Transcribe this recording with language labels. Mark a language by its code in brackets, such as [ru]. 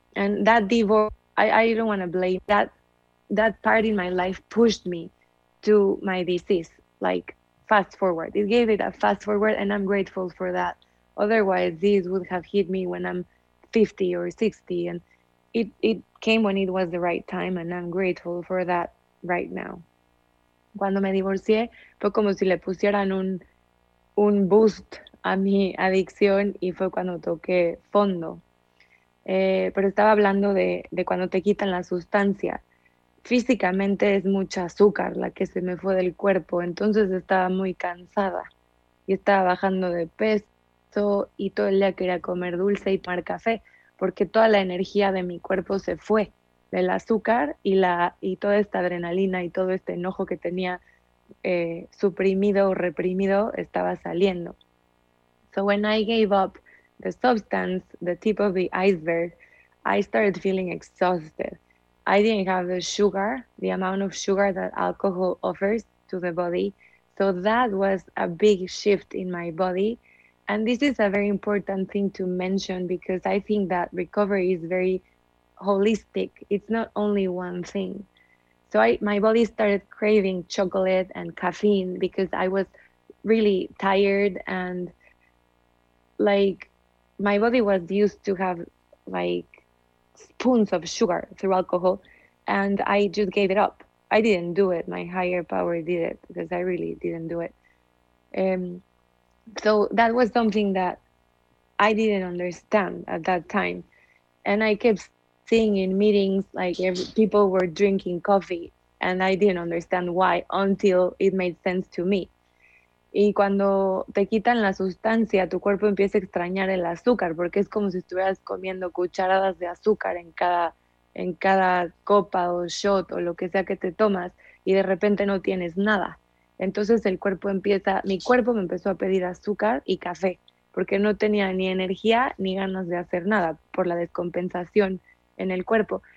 [en] And that divorce, I don't want to blame. That part in my life pushed me to my disease. Like, fast forward. It gave it a fast forward, and I'm grateful for that. Otherwise, this would have hit me when I'm 50 or 60, and it came when it was the right time, and I'm grateful for that right now. [es] Cuando me divorcié, fue como si le pusieran un boost a mi adicción, y fue cuando toqué fondo. Pero estaba hablando de cuando te quitan la sustancia. Físicamente es mucha azúcar la que se me fue del cuerpo, entonces estaba muy cansada y estaba bajando de peso y todo el día quería comer dulce y tomar café porque toda la energía de mi cuerpo se fue del azúcar y toda esta adrenalina y todo este enojo que tenía suprimido o reprimido estaba saliendo. [en] So when I gave up the substance, the tip of the iceberg, I started feeling exhausted. I didn't have the sugar, the amount of sugar that alcohol offers to the body. So that was a big shift in my body. And this is a very important thing to mention because I think that recovery is very holistic. It's not only one thing. So my body started craving chocolate and caffeine because I was really tired and like my body was used to have like spoons of sugar through alcohol, and I just gave it up. I didn't do it. My higher power did it because I really didn't do it. So that was something that I didn't understand at that time. And I kept seeing in meetings, like people were drinking coffee and I didn't understand why until it made sense to me. [es] Y cuando te quitan la sustancia, tu cuerpo empieza a extrañar el azúcar, porque es como si estuvieras comiendo cucharadas de azúcar en cada copa o shot o lo que sea que te tomas, y de repente no tienes nada. Entonces mi cuerpo me empezó a pedir azúcar y café, porque no tenía ni energía ni ganas de hacer nada por la descompensación en el cuerpo.